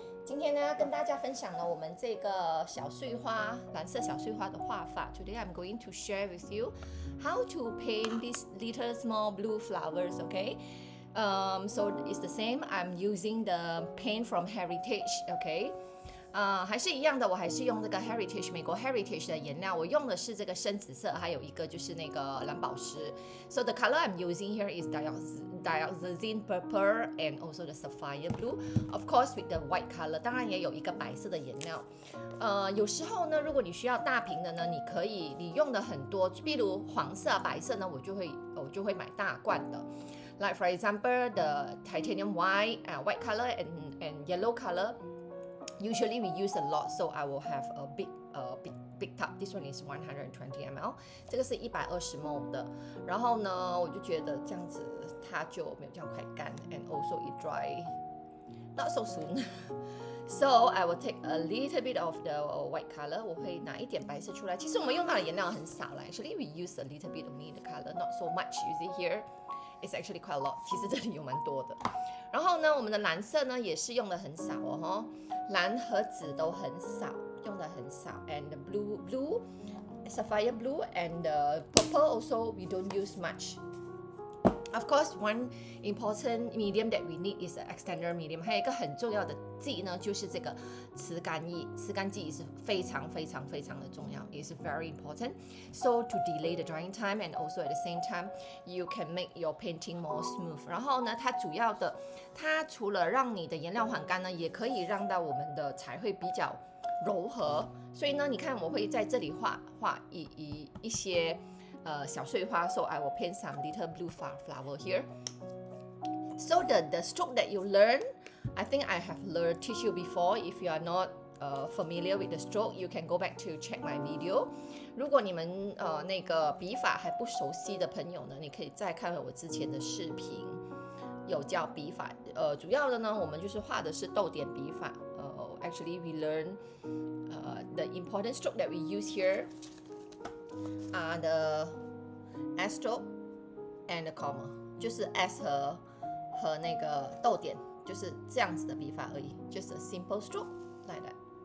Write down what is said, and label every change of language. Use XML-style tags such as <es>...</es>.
<zh>今天呢，跟大家分享了我们这个小碎花，蓝色小碎花的画法。</zh> <en>Today, I'm going to share with you how to paint these little small blue flowers. Okay. So it's the same. I'm using the paint from Heritage. Okay.</en> <zh>还是一样的，我还是用这个 Heritage 美国 Heritage 的颜料，我用的是这个深紫色，还有一个就是那个蓝宝石。</zh> <en>So the color I'm using here is dioxazine purple and also the sapphire blue, of course with the white color.</en> <zh>当然也有一个白色的颜料。有时候呢，如果你需要大瓶的呢，你可以你用的很多，比如黄色、白色呢，我就会买大罐的。</zh> <en>Like for example, the titanium white, white color and yellow color. Usually we use a lot, so I will have a big tub. This one is 120 ml.</en> <zh>这个是120 ml 的。然后呢，我就觉得这样子它就没有这样快干 ，</zh> <en>and also it dry not so soon. So I will take a little bit of the white color.</en> <zh>我会拿一点白色出来。其实我们用到的颜料很少了。</zh> <en>Actually, we use a little bit of the color, not so much. You see here. It's actually quite a lot.</en> <zh>其实这里有蛮多的。然后呢，我们的蓝色呢也是用的很少哦，蓝和紫都很少，用的很少。</zh> <en>And the blue, sapphire blue, and the purple also we don't use much. Of course, one important medium that we need is the extender medium.</en> <zh>还有一个很重要的剂呢，就是这个磁干剂。磁干剂是非常非常非常的重要 ，</zh> <en>is very important. So to delay the drying time and also at the same time, you can make your painting more smooth.</en> <zh>然后呢，它主要的，它除了让你的颜料缓干呢，也可以让到我们的彩绘比较柔和。所以呢，你看我会在这里画一些小碎花。</zh> <en>So I will paint some little blue flower here. So the stroke that you learn. I think I have learned teach you before. If you are not familiar with the stroke, you can go back to check my video.</en> <zh>如果你们那个笔法还不熟悉的朋友呢，你可以再看我之前的视频，有教笔法。主要的呢，我们就是画的是逗点笔法。</zh> <en>Actually, we learn the important stroke that we use here are the S stroke and the comma,</en> <zh>就是 S 和那个逗点。就是这样子的笔法而已</zh> <en>，just a simple stroke like that.</en>